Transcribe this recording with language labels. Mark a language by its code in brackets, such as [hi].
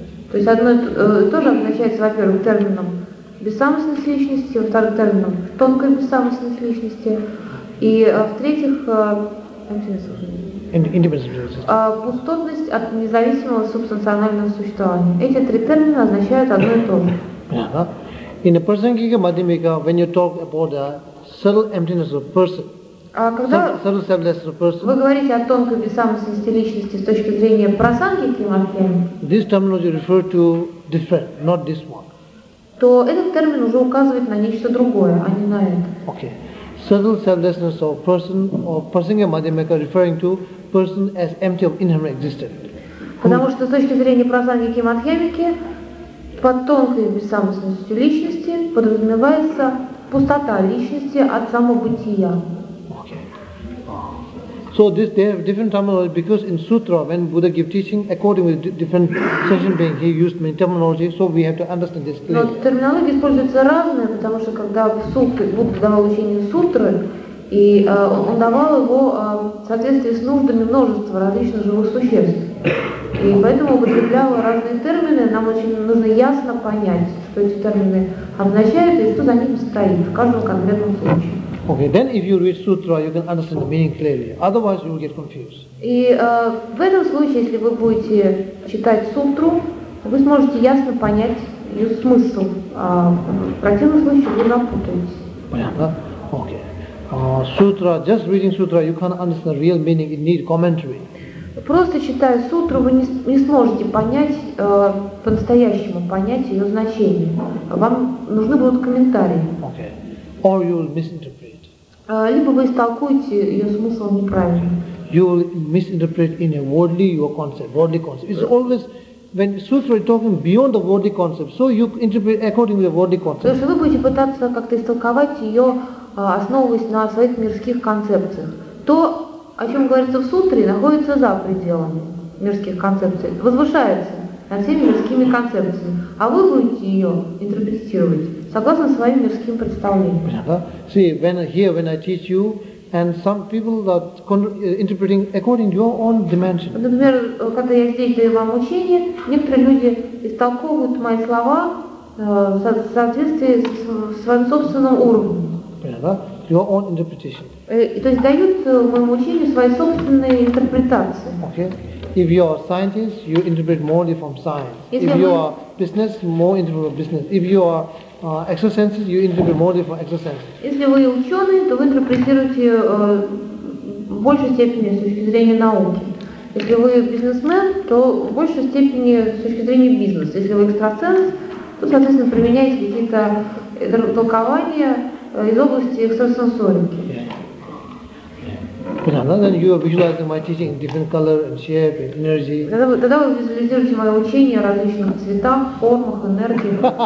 [ru] То есть одно тоже обозначается, во-первых, термином бессамостность личности, во-вторых, термином тонкой бессамостность личности, и в-третьих, пустотность от независимого субстанционального существования. Эти три термина означают одно и то же. [en] In the Prasangika Madhyamika, when you talk about the subtle emptiness of person, [ru] Вы говорите о тонкой бессамостности личности с точки зрения прасангики Мадхьяны. [en] This terminology refers to different, not this one. [ru] То этот термин уже указывает на нечто другое, а не на это. [en] Okay. Subtle selflessness of person or prasangika Madhyamika referring to person as empty of inherent existence. [ru] Потому что с точки зрения прасангики Мадхьяны под тонкой бессамостностью личности подразумевается пустота личности от самобытия. [en] So this, they have different terminology because in sutra when Buddha gives teaching according with different session being he used many terminology, so we have to understand this clearly. [ru] Но терминология используется разная, потому что когда в сутре Будда давал учение сутры, и он давал его в соответствии с нуждами множества различных живых существ. И поэтому употреблял разные термины, нам очень нужно ясно понять, что эти термины означают и что за ними стоит в каждом конкретном случае. [en] Okay, then if you read sutra, you can understand the meaning clearly. Otherwise, you will get confused. [ru] И в этом случае, если вы будете читать сутру, вы сможете ясно понять ее смысл. А в противном случае вы запутаетесь. Понятно? Окей. [en] Сутра, just reading sutra, you can't understand the real meaning, it needs commentary. [ru] Просто читая сутру, вы не сможете понять, по-настоящему понять ее значение. Вам нужны будут комментарии. [en] Okay. Or you will misinterpret. [ru] Либо вы истолкуете ее смысл неправильно. [en] You will misinterpret in a worldly your concept, worldly concept. It's always when sutra is talking beyond the worldly concept, so you interpret according to the worldly concept. [ru] Вы будете пытаться как-то истолковать ее, основываясь на своих мирских концепциях. То, о чем говорится в сутре, находится за пределами мирских концепций, возвышается над всеми мирскими концепциями. А вы будете ее интерпретировать согласно своим мирским представлениям. Понятно? [en] See, when I teach you, and some people that interpreting according to your own dimension. [ru] Например, когда я здесь даю вам учение, некоторые люди истолковывают мои слова в соответствии с своим собственным уровнем. Понятно? [en] Your own interpretation. [ru] То есть дают моему учению свои собственные интерпретации. [en] Okay. If you are scientist, you interpret more from science. If you are business, more interpret from business. If you are exercises, you interpret more from exercises. [ru] Если вы ученый, то вы интерпретируете в большей степени с точки зрения науки. Если вы бизнесмен, то в большей степени с точки зрения бизнеса. Если вы экстрасенс, то, соответственно, применяете какие-то толкования из области экстрасенсорики. Понятно? [en] Then you are visualizing my teaching in different color and shape and energy. [ru] Тогда вы визуализируете мое учение в различных цветах, формах, энергии.